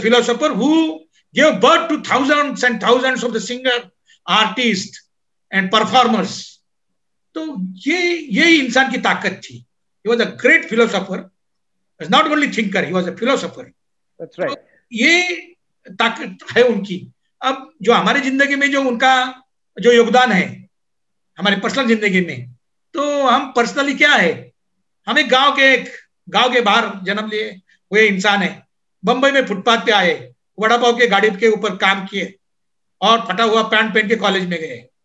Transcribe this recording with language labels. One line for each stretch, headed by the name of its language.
English: Philosopher who give birth to thousands and thousands of the singer artist and performers.
Hindi: तो ये इंसान की ताकत थी।
English: He was a great philosopher. He was not only thinker, he was a philosopher. That's right.
Hindi: तो ये ताकत है उनकी। अब जो हमारे जिंदगी में जो उनका जो योगदान है हमारे पर्सनल जिंदगी में, तो हम पर्सनली क्या है, हमें गांव के बाहर जन्म लिए हुए इंसान है, बंबई में फुटपाथ पे आए, वड़ा पाव के गाड़ी के ऊपर काम किए और फटा हुआ पैंट पहन के कॉलेज में गए।